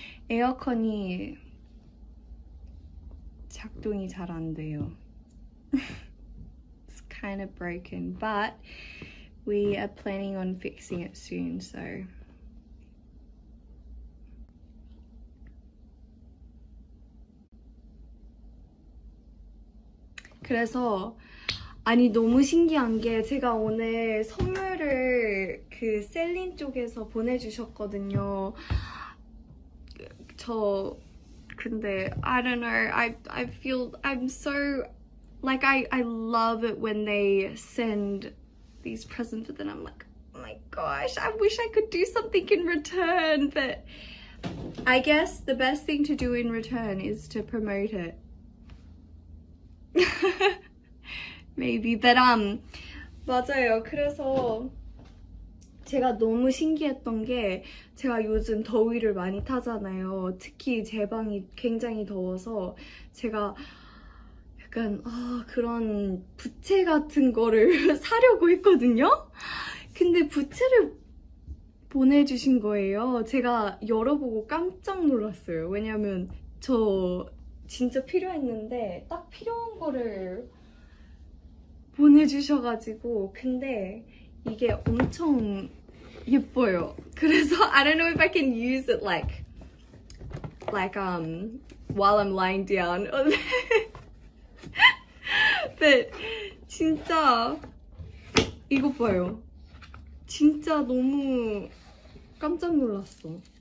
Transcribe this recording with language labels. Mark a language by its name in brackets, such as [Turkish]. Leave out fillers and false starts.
[Korean] 에어컨이 작동이 잘 안 돼요. [English] It's kind of broken, but we are planning on fixing it soon, so. [Korean] (웃음) 그래서 아니 너무 신기한 게 제가 오늘 선물을 그 셀린 쪽에서 보내 주셨거든요. 근데 [English] I don't know. I feel I'm so like I love it when they send these presents, but then I'm like, oh my gosh, I wish I could do something in return. But I guess the best thing to do in return is to promote it. Maybe, but [Korean] 맞아요. 그래서 제가 너무 신기했던 게 제가 요즘 더위를 많이 타잖아요. 특히 제 방이 굉장히 더워서 제가 약간 그런 부채 같은 거를 사려고 했거든요. 근데 부채를 보내주신 거예요. 제가 열어보고 깜짝 놀랐어요. 왜냐면 저 진짜 필요했는데 딱 필요한 거를 보내주셔가지고 근데 이게 엄청 예뻐요. 그래서 [English] I don't know if I can use it like while I'm lying down. But [Korean] 진짜 이거 봐요. 진짜 너무 깜짝 놀랐어.